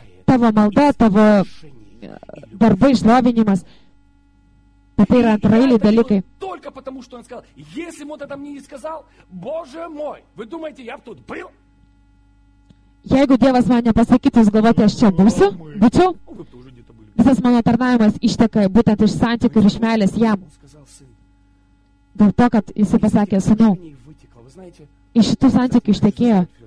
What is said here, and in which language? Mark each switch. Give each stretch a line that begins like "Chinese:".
Lithuanian: Tavo malda, tavo darbai, šlovinimas. Bet tai yra antrailiai dalykai.
Russian: Только потому, что он сказал, если бы он это мне не сказал, Боже мой, вы думаете, я тут был?
Lithuanian: Jeigu Dievas man nepasakytų, jūs galvote, aš čia būsiu, būčiau? Visas mano tarnavimas išteka būtent iš santykių ir iš meilės jam. Dėl to, kad jis pasakė, sūnau, iš šitų santykių ištekėjo.